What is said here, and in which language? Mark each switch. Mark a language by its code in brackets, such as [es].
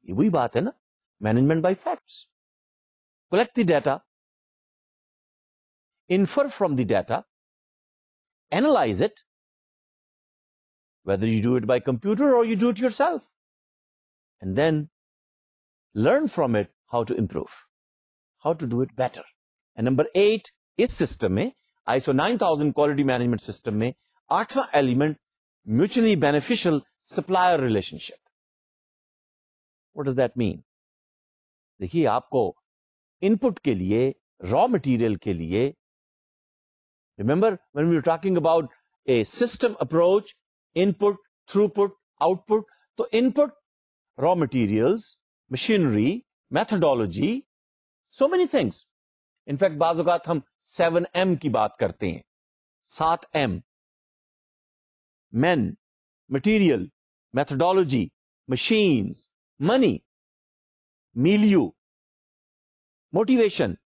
[en] Ye wahi baat hai na, management by facts. Collect the data, infer from the data, analyze it, whether you do it by computer or you do it yourself, and then learn from it how to improve, how to do it better. And number 8, is system mein, ISO 9000 quality management system mein, 8th element, mutually beneficial supplier relationship. What does that mean? Dekhiye, aapko input کے لیے, raw material کے لیے, remember when we are talking about a system approach, input, throughput, output, تو input raw materials, machinery, methodology, so many things. [ur] In fact, baz ogat hum 7M ki baat karte hain. 7M. [en] Men, material, methodology, machines, money, milieu, motivation.